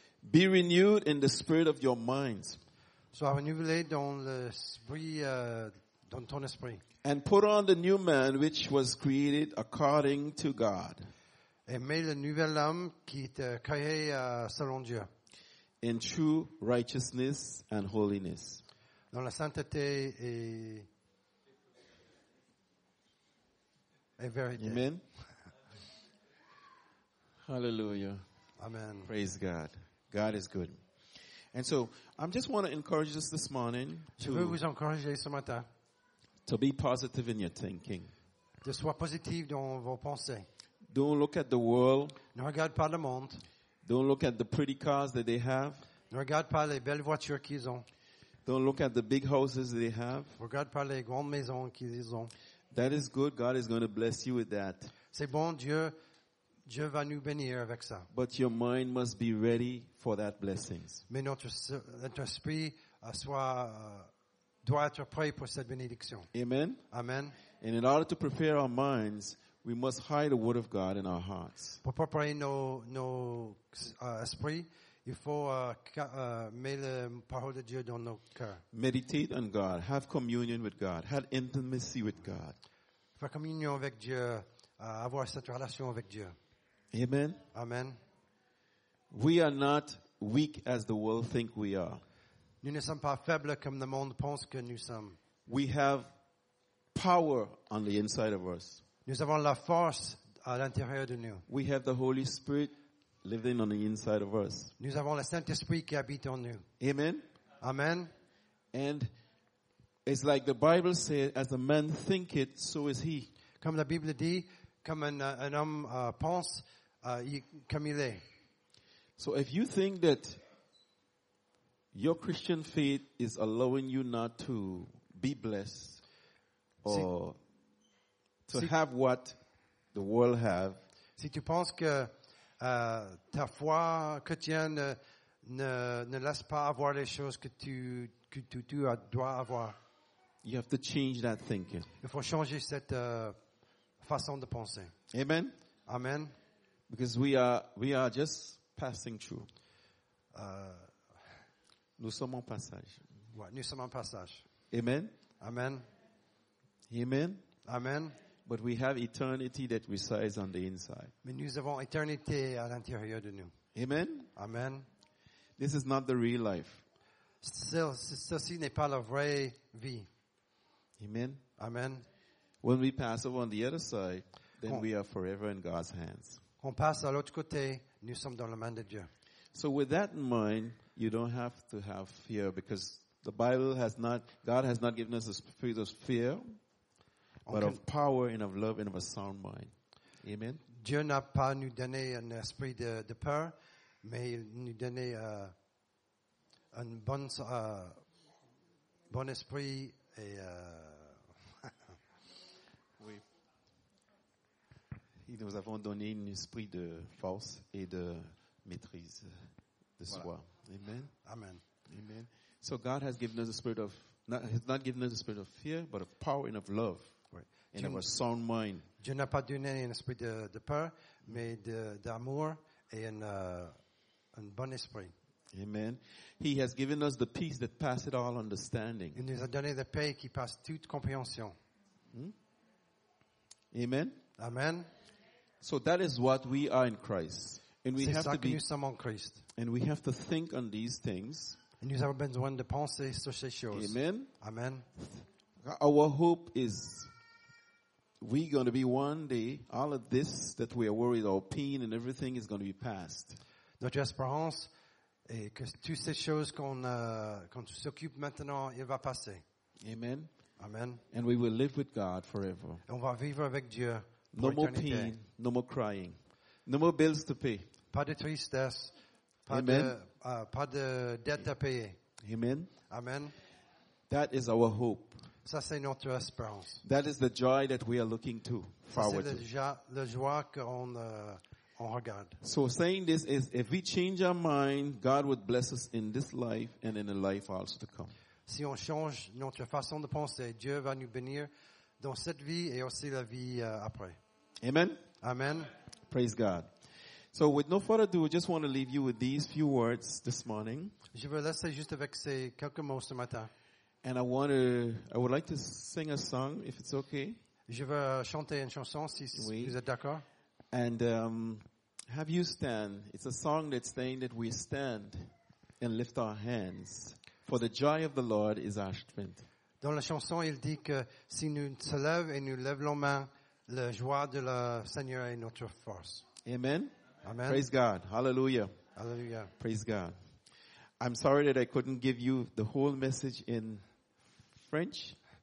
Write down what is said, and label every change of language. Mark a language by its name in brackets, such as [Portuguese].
[English] Be renewed in the spirit of your minds. [French] Sois renouvelé dans l'esprit. Dans ton esprit. [English] And put on the new man which was created according to God. [French] Et mets le nouvel homme qui est créé selon Dieu. [English] In true righteousness and holiness. [French] Dans la sainteté et vérité. [English] Amen. Hallelujah. Amen. Praise God. God is good. And so, I just want to encourage us this morning. [French] Je veux vous encourager ce matin. [English] To be positive in your thinking. [French] De sois positif dans vos pensées. [English] Don't look at the world. [French] Ne regarde pas le monde. [English] Don't look at the pretty cars that they have. [French] Ne regarde pas les belles voitures qu'ils ont. [English] Don't look at the big houses they have. [French] Ne regarde pas les grandes maisons qu'ils ont. [English] That is good. God is going to bless you with that. [French] C'est bon, Dieu va nous bénir avec ça. [English] But your mind must be ready for that blessings. [French] Mais notre esprit soit doit être prêt pour cette bénédiction. [English] Amen. Amen. And in order to prepare our minds, we must hide the word of God in our hearts. [French] Pour préparer nos esprits, il faut mettre la parole de Dieu dans nos cœurs. [English] Meditate on God. Have communion with God. Have intimacy with God. [French] Faire communion avec Dieu. Avoir cette relation avec Dieu. [English] Amen. Amen. We are not weak as the world thinks we are. [French] Nous ne sommes pas faibles comme le monde pense que nous sommes. [English] We have power on the inside of us. [French] Nous avons la force à l'intérieur de nous. [English] We have the Holy Spirit living on the inside of us. [French] Nous avons le Saint-Esprit qui habite en nous. [English] Amen. Amen. And it's like the Bible says, as a man thinketh, so is he. [French] Comme la Bible dit, comme un homme pense, comme il est. [English] So if you think that your Christian faith is allowing you not to be blessed or to have what the world have. [French] Si tu penses que ta foi chrétienne ne laisse pas avoir les choses que tu dois avoir. [English] You have to change that thinking. [French] Il faut changer cette façon de penser. [English] Amen. Amen. Because we are just passing through. [French] Nous sommes en passage. Ouais, nous sommes en passage. Amen. Amen. Amen. Amen. [English] But we have eternity that resides on the inside. [French] Mais nous avons éternité à l'intérieur de nous. Amen. Amen. [English] This is not the real life. [French] Ceci n'est pas la vraie vie. Amen. Amen. [English] When we pass over on the other side, then we are forever in God's hands. [French] On passe à l'autre côté, nous sommes dans la main de Dieu. [English] So with that in mind, you don't have to have fear because the Bible has not, God has not given us a spirit of fear, but of power and of love and of a sound mind. Amen. [French] Dieu n'a pas nous donné un esprit de peur, mais il nous donné un bon bon esprit et oui. Et nous avons donné un esprit de force et de maîtrise de soi. Amen. Amen. Amen. [English] So God has given us a spirit of not given us a spirit of fear, but of power and of love. And of a sound mind. [French] Dieu n'a pas donné un esprit de peur, mais d'amour et un bon esprit. Amen. [English] He has given us the peace that passes all understanding. [French] Il nous a donné la paix qui passe toute compréhension. Amen. Amen. [English] So that is what we are in Christ, and we have to be. [French] C'est ça que nous sommes en Christ. [English] And we have to think on these things. [French] Et nous avons besoin de penser sur ces choses. Amen. Amen. [English] Our hope is. We're going to be one day, all of this that we are worried, our pain and everything is going to be passed. [French] Notre espérance est que toutes ces choses qu'on s'occupe maintenant, il va passer. Amen. Amen. [English] And we will live with God forever. [French] Et on va vivre avec Dieu pour l'éternité. [English] No more pain, no more crying. No more bills to pay. [French] Pas de tristesse. Pas Amen. Pas de dette à payer. Amen. Amen. [English] That is our hope. [French] Ça, c'est notre espérance. [English] That is the joy that we are looking to, forward [French] to. C'est la joie qu'on regarde. [English] So saying this is, if we change our mind, God would bless us in this life and in a life also to come. [French] Si on change notre façon de penser, Dieu va nous bénir dans cette vie et aussi la vie après. Amen. Amen. [English] Praise God. So with no further ado, I just want to leave you with these few words this morning. [French] Je vais laisser juste avec ces quelques mots ce matin. [English] And I would like to sing a song if it's okay. [French] Je veux chanter une chanson si oui. Vous êtes d'accord. [English] And have you stand? It's a song that's saying that we stand and lift our hands for the joy of the Lord is our strength. [French] Dans la chanson, il dit que si nous se lève et nous lève nos mains, la joie de le Seigneur est notre force. Amen. Amen. [English] Praise God. Hallelujah. Hallelujah. Praise God. I'm sorry that I couldn't give you the whole message in French.